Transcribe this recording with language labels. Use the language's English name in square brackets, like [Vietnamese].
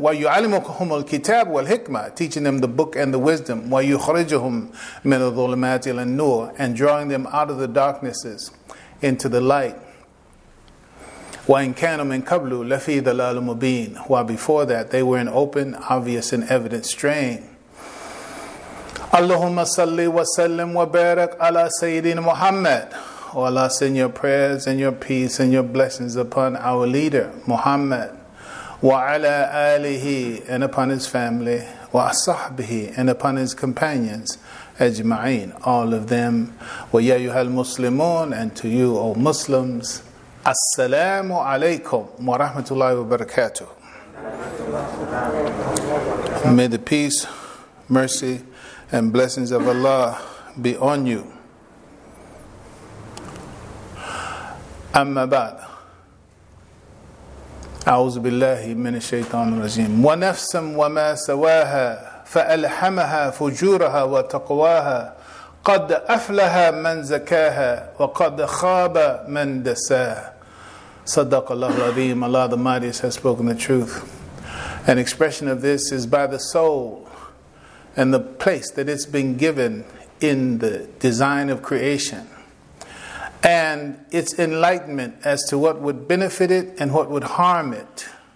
[Arabic] Wa yu'allimuhum al-kitab wal hikmah, [English] teaching them the book and the wisdom. [Arabic] Wa yukhrijuhum min adh-dhulumati ila an-nur, [English] and drawing them out of the darknesses into the light. [Arabic] وَإِنْ كَانُوا مِنْ قَبْلُ لَفِي ضَلَالٍ مُبِينٍ. [English] While before that, they were in open, obvious, and evident strain. [Arabic] اللهم صلِّ وسلِّم وبارك على سيدنا محمد. [English] O Allah, send your prayers and your peace and your blessings upon our leader, Muhammad. [Arabic] وعلى آله, [English] and upon his family. [Arabic] وصحبه, [English] and upon his companions. [Arabic] أجمعين, [English] all of them. [Arabic] ويا أيها المسلمون, [English] and to you, O Muslims. [Arabic] Assalamu alaikum wa rahmatullahi wa barakatuh. [English] May the peace, mercy, and blessings of Allah be on you. [Arabic] أما بعد أعوذ بالله من الشيطان الرجيم ونفس وما سواها فألحمها فجورها وتقواها قد أفلح من زكاها وقد خاب من دساها صدق الله العظيم. [English] Allah the Mightiest has spoken the truth. An expression of this is by the soul and the place that it's been given in the design of creation and its enlightenment as to what would benefit it and what would harm it.